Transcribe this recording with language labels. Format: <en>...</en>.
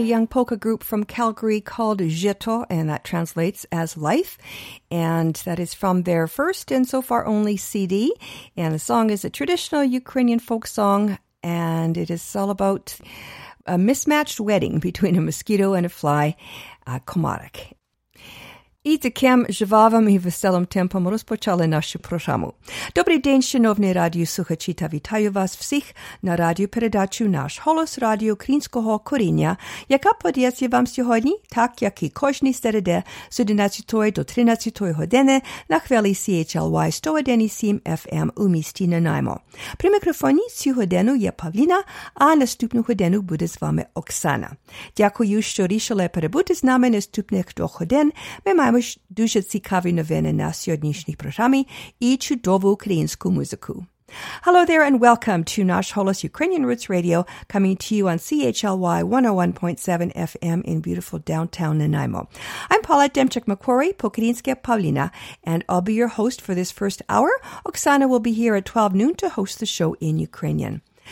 <en>Polka group from Calgary called Jito, and that translates as life, and that is from their first and so far only CD, and the song is a traditional Ukrainian folk song, and it is all about a mismatched wedding between a mosquito and a fly, komarek.</en> <uk>І таким жвавим і веселим темпом розпочали нашу програму. Добрий день, шановні радіослухачі, та вітаю вас всіх на радіопередачу «Наш голос» радіо українського коріння, яка подається вам сьогодні, так як і кожні середи з 11 до 13 години на хвилі CHLY 101.7 FM у місті Нанаймо. При мікрофоні цю годину є Павліна, а наступну годину буде з вами Оксана. Дякую, що рішили перебути з нами наступних двох годин. Маємо дуже цікаві новини на сьогоднішній програмі і чудову українську музику.</uk> <en>Hello there and welcome to Nash Holos Ukrainian Roots Radio, coming to you on CHLY 101.7 FM in beautiful downtown Nanaimo. I'm Paula Demchuk-McQuarrie, Pokrinska Paulina, and I'll be your host for this first hour. Oksana will be here at 12 noon to host the show in Ukrainian.</en>